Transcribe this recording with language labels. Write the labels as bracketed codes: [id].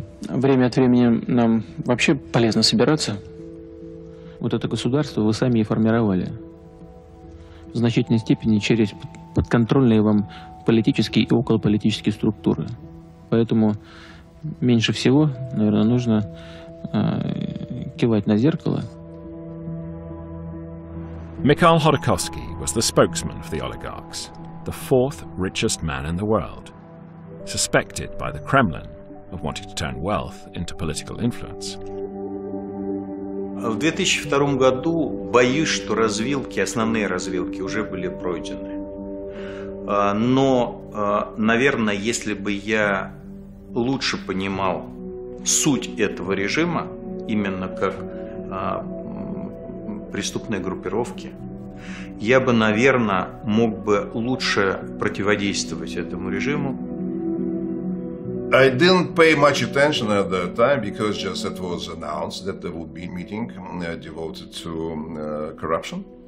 [ru] Время от времени нам вообще полезно собираться. Вот это государство вы сами и формировали. В значительной степени через подконтрольные вам политические и околополитические структуры. Поэтому меньше всего, наверное, нужно кивать на зеркало. [en] Mikhail Khodorkovsky was the spokesman for the oligarchs, the 4th richest man in the world, suspected by the Kremlin. Of wanting to turn wealth into political influence. [ru] В 2002 году боюсь, что развилки, основные развилки уже были пройдены. Но, наверное, если бы я лучше понимал суть этого режима, именно как преступной группировки, я бы, наверное, мог бы лучше противодействовать этому режиму. [en] I didn't pay much attention at the time because just it was announced that there would be a meeting devoted to corruption.